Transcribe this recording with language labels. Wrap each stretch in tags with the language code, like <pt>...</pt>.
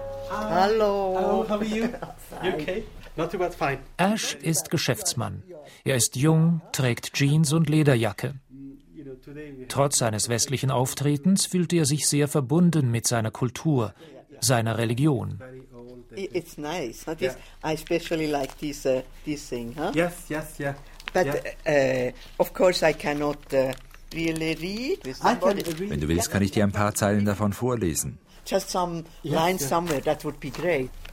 <de>Hallo.</de> <en>Hello, how are you? You okay? Not too bad, fine.</en> <de>Ash ist Geschäftsmann. Er ist jung, trägt Jeans und Lederjacke. Trotz seines westlichen Auftretens fühlte er sich sehr verbunden mit seiner Kultur, seiner Religion.</de> <en>It's nice. Huh? This, yeah. I especially like this this thing, huh? Yes, yes, yeah. But yeah. Of course I cannot really read.</en> <de>Wenn du willst, kann ich dir ein paar Zeilen davon vorlesen.</de> <en>Just some lines somewhere, that would be great.</en>